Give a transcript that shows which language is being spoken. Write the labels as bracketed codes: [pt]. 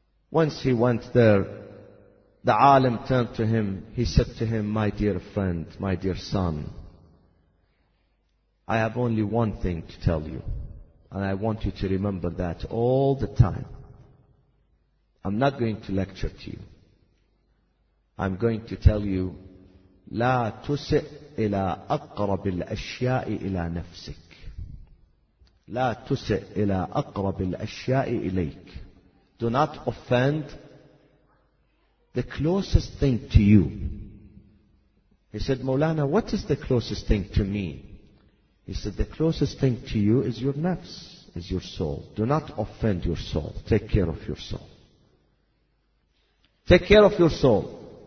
[en] Once he went there, the alim turned to him. He said to him, "My dear friend, my dear son, I have only one thing to tell you. And I want you to remember that all the time. I'm not going to lecture to you. I'm going to tell you, [ar] لا تسئ إلى أقرب الأشياء إلى نفسك. لا تسئ إلى أقرب الأشياء إليك. [en] Do not offend the closest thing to you." He said, "Mawlana, what is the closest thing to me?" He said, "The closest thing to you is your nafs, is your soul. Do not offend your soul. Take care of your soul. Take care of your soul.